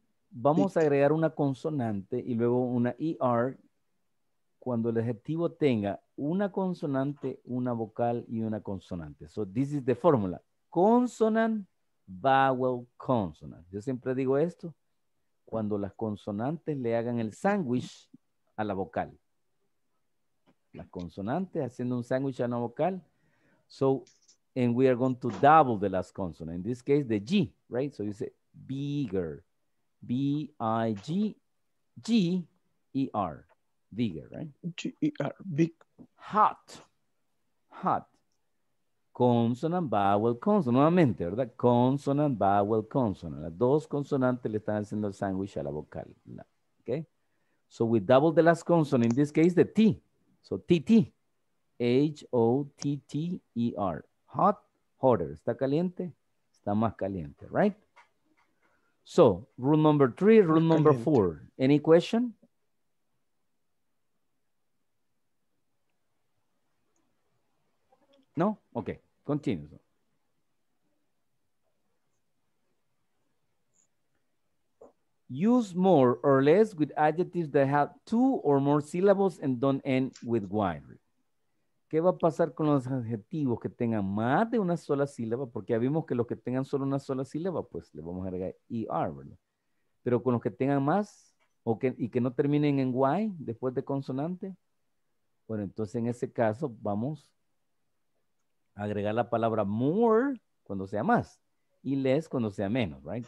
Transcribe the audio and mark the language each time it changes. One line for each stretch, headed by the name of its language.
Spanish: Vamos a agregar una consonante y luego una ER cuando el adjetivo tenga una consonante, una vocal y una consonante.
English: So this is the formula. Consonant, vowel, consonant.
Spanish: Yo siempre digo esto cuando las consonantes le hagan el sándwich a la vocal. Las consonantes haciendo un sándwich a una vocal.
English: So, and we are going to double the last consonant. In this case, the G, right? So you say bigger, B-I-G-G-E-R, bigger, right? G-E-R, big. Hot. Consonant, vowel, consonant.
Spanish: Nuevamente, ¿verdad?
English: Consonant, vowel, consonant.
Spanish: Las dos consonantes le están haciendo el sándwich a la vocal.
English: Okay? So we double the last consonant. In this case, the T. So T-T. H-O-T-T-E-R. Hot, hotter.
Spanish: ¿Está caliente? Está más caliente,
English: right? So, rule number three, rule number four. Any question? No? Okay, continue. Use more or less with adjectives that have two or more syllables and don't end with Y.
Spanish: ¿Qué va a pasar con los adjetivos que tengan más de una sola sílaba? Porque ya vimos que los que tengan solo una sola sílaba, pues le vamos a agregar ER, ¿verdad? Pero con los que tengan más o que, y que no terminen en Y después de consonante, bueno, entonces en ese caso vamos a agregar la palabra more cuando sea más y less cuando sea menos, right?